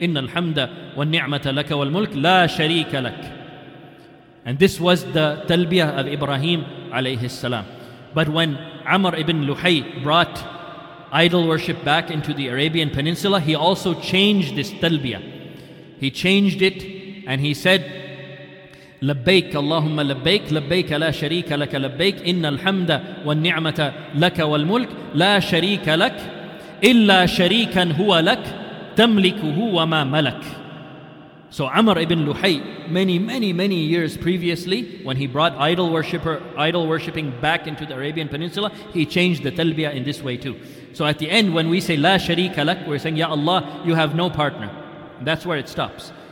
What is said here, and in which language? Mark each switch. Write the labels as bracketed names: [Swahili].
[Arabic] Innal hamda wa ni'mata laka wal mulk la sharika lak. [English] And this was the talbiyah of Ibrahim alayhi salam. But when Amr ibn Luhay brought idol worship back into the Arabian Peninsula, he also changed this talbiyah. He changed it and he said, [Arabic] لبيك اللهم لبيك لبيك لا شريك لك لبيك إن الحمد والنعمة لك والملك لا شريك لك إلا شريكا هو لك تملكه وما ملك. [English] So Amr ibn Luhay, many years previously, when he brought idol worshipping back into the Arabian Peninsula, he changed the talbiya in this way too. So at the end, when we say [Arabic] لا شريك لك, [English] we're saying, Ya Allah, you have no partner. That's where it stops.